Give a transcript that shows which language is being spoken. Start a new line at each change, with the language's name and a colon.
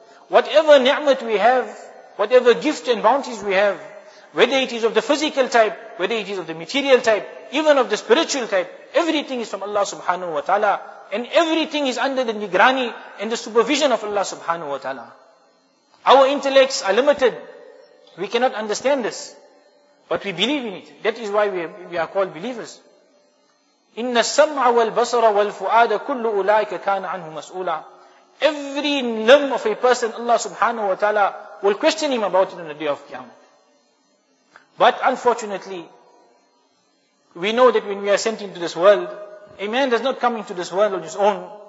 English: Whatever ni'mat we have, whatever gift and bounties we have, whether it is of the physical type, whether it is of the material type, even of the spiritual type, everything is from Allah subhanahu wa ta'ala. And everything is under the nigrani and the supervision of Allah subhanahu wa ta'ala. Our intellects are limited. We cannot understand this. But we believe in it. That is why we are called believers.
Arabic: إن السمع والبصر والفؤاد كل أولئك كان عنه مسؤولا.
English: Every limb of a person, Allah subhanahu wa ta'ala will question him about it on the day of Qiyamah. But unfortunately, we know that when we are sent into this world, a man does not come into this world on his own.